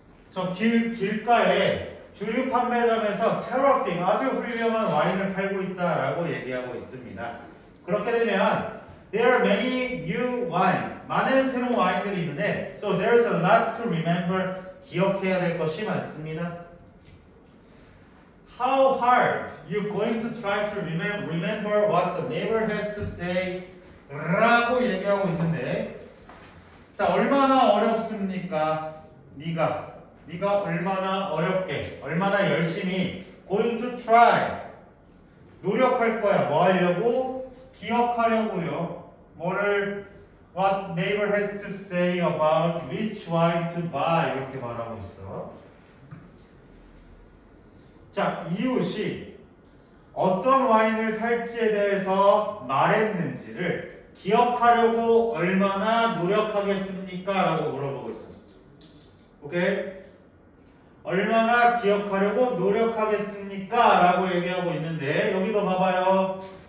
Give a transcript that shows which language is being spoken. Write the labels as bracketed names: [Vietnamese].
[Korean] 저 길가에 주류 판매점에서 테러핑 아주 훌륭한 와인을 팔고 있다라고 얘기하고 있습니다. 그렇게 되면 [English] There are many new wines. [Korean] 많은 새로운 와인들이 있는데, [English] so there is a lot to remember. [Korean] 기억해야 될 것이 많습니다. [English] How hard you going to try to remember what the neighbor has to say? [Korean] 라고 얘기하고 있는데, 자, 얼마나 어렵습니까? 네가 얼마나 어렵게, 얼마나 열심히 [English] going to try [Korean] 노력할 거야. 뭐 하려고? 기억하려고요. 뭐를 [English] What neighbor has to say about which wine to buy? [Korean] 이렇게 말하고 있어. 자, 이웃이 어떤 와인을 살지에 대해서 말했는지를 기억하려고 얼마나 노력하겠습니까? 라고 물어보고 있어. 오케이? 얼마나 기억하려고 노력하겠습니까? 라고 얘기하고 있는데 여기도 봐봐요.